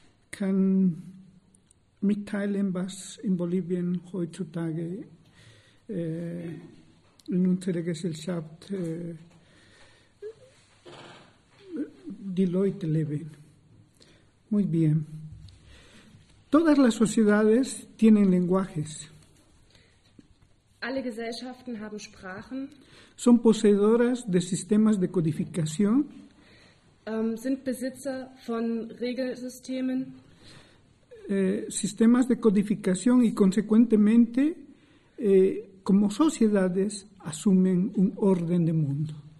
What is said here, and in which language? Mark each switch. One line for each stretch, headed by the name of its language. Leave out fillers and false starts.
German: kann mitteilen, was in Bolivien heutzutage in unserer Gesellschaft die Leute leben.
Spanish: Muy bien. Todas las sociedades tienen lenguajes.
German: Alle Gesellschaften haben Sprachen.
Spanish: Son poseedoras de sistemas de codificación.
German: Sind Besitzer von Regelsystemen.
Spanish: Sistemas de codificación y consecuentemente como sociedades asumen un orden de mundo.